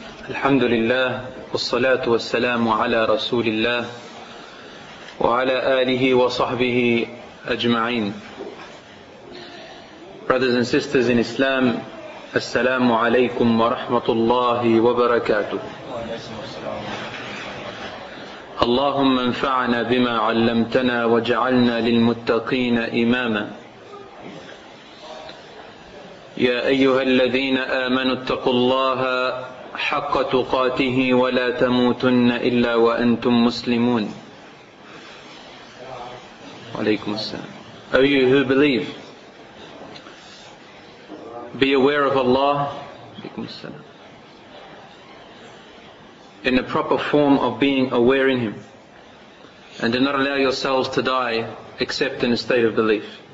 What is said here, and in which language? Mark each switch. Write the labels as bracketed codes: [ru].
[ar] الحمد لله والصلاة والسلام على رسول الله وعلى آله وصحبه أجمعين. [en] Brothers and sisters in Islam, [ar] السلام عليكم ورحمة الله وبركاته. اللهم انفعنا بما علمتنا وجعلنا للمتقين إماما. يا أيها الذين آمنوا اتقوا الله حق تقاته ولا تموتن إلا وأنتم مسلمون. عليكم السلام. [en] O you who believe, be aware of Allah, [ar] عليكم السلام, [en] in the proper form of being aware in Him, and do not allow yourselves to die except in a state of belief.